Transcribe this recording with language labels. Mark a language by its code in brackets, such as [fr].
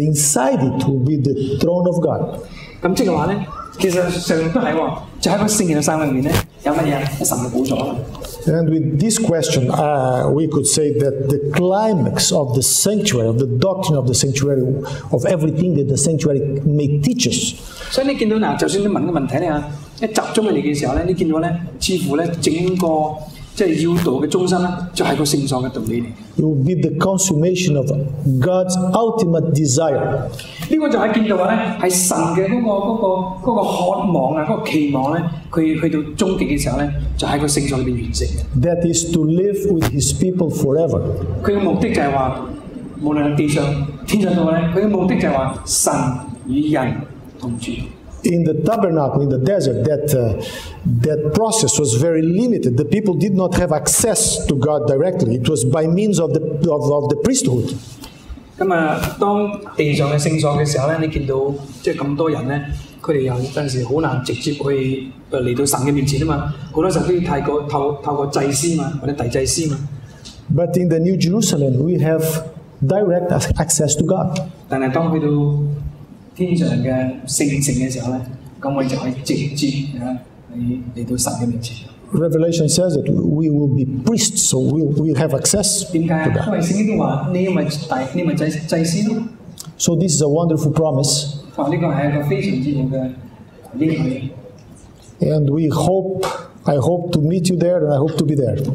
[en] inside it will be the throne of God. And with this question, we could say that the climax of the sanctuary, of the doctrine of the sanctuary, of everything that the sanctuary may teach us, [yue] 一集中嚟嘅時候咧，你見到咧，似乎咧整個即係要道嘅中心咧，就係個聖所嘅道理嚟。 [en] It will be the consummation of God's ultimate desire。 [yue] 呢個就喺見到話咧，係神嘅嗰個渴望啊，嗰個期望咧，佢去到終極嘅時候咧，就喺個聖所裏邊完成。 [en] That is to live with His people forever。 [yue] 佢嘅目的就係話，無論地上天上都咧，佢嘅目的就係話神與人同住。 [en] In the tabernacle in the desert, that process was very limited. The people did not have access to God directly. It was by means of the priesthood. [yue] 咁啊，當地上嘅聖所嘅時候咧，你見到即係咁多人咧，佢哋有陣時好難直接去嚟到神嘅面前啊嘛。好多時候都要透過祭司嘛，或者大祭司嘛。 [en] But in the New Jerusalem, we have direct access to God. [yue] 但係當去到天上嘅聖城嘅時候咧，咁我就可以直接啊嚟到神嘅面前。 [en] Revelation says that we will be priests, so we have access to God. [yue] 點解？因為聖經都話你咪祭司咯。 [en] So this is a wonderful promise. 哇！ [yue] 呢個係一個非常之好嘅應許。 [en] And we hope, I hope to meet you there, and I hope to be there.